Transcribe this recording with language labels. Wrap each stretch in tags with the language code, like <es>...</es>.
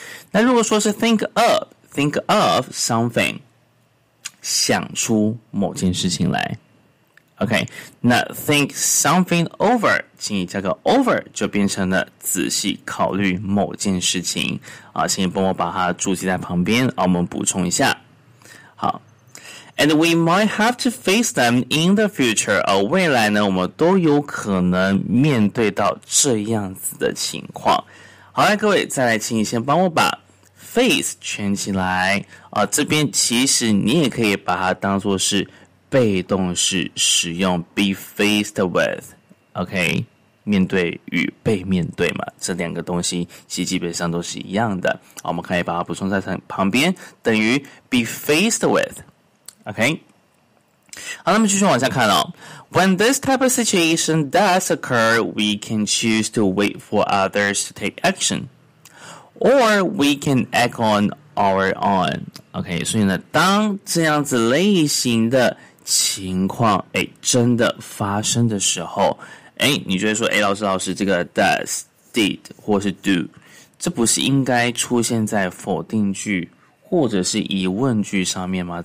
<zh>那如果说是</zh> <en>think of something，</en> <zh>想出某件事情来。 OK， 那</zh> <en>think something over，</en> <zh>请你加个 over， 就变成了仔细考虑某件事情。请你帮我把它注记在旁边，我们补充一下。好。</zh> <en>And we might have to face them in the future.</en> <zh>未来呢，我们都有可能面对到这样子的情况。好了，各位，再来，请你先帮我把 face 圈起来。这边其实你也可以把它当作是被动式使用 ，</zh> <en>be faced with.</en> <zh>OK， 面对与被面对嘛，这两个东西其实基本上都是一样的。我们可以把它补充在旁边，等于</zh> <en>be faced with。</en> <zh>OK， 好，那么继续往下看哦。</zh> <en>When this type of situation does occur, we can choose to wait for others to take action, or we can act on our own.</en> <zh>OK， 所以呢，当这样子类型的情况，真的发生的时候，你就会说，老师，这个 does, did, 或是 do， 这不是应该出现在否定句或者是疑问句上面吗？</zh>